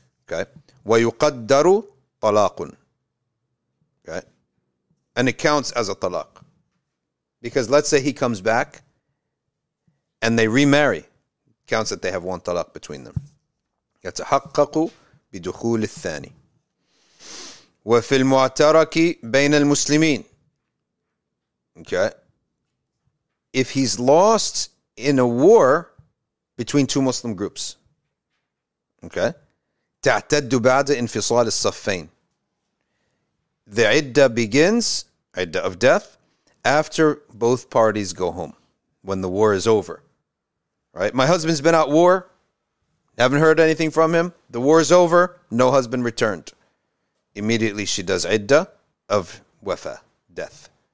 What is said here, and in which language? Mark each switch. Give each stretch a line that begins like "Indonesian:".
Arabic: Okay. وَيُقَدَّرُ طَلَاقٌ. Okay.
English: And it counts as a talaq. Because let's say he comes back and they remarry. It counts that they have one talaq between them.
Arabic: يتحققوا بدخول الثاني. وفي المعترك بين المسلمين.
English: Okay. If he's lost in a war between two Muslim groups.
Arabic: Okay. تعتد بعد انفصال الصفين.
English: The iddah begins, iddah of death, after both parties go home, when the war is over. Right? My husband's been at war. Haven't heard anything from him. The war's over. No husband returned. Immediately she does iddah of wafa, death.